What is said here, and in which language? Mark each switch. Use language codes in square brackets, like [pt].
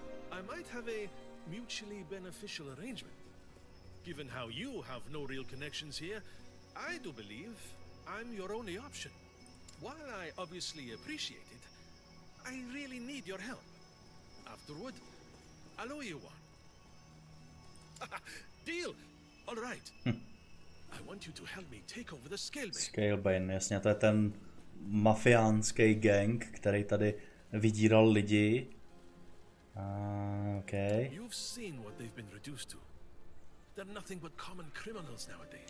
[en] I might have a mutually beneficial arrangement. Given how you have no real connections here, I do believe I'm your only option. While I obviously appreciate it, I really need your help. Afterward, I'll owe you one. Deal. All right. I want you to help me take over the Scalebane. [cs] Scalebane, jasně, to je ten mafiánský gang, který tady vydíral lidi. [en] Okay. You've seen what they've been reduced to. They're nothing but common criminals nowadays.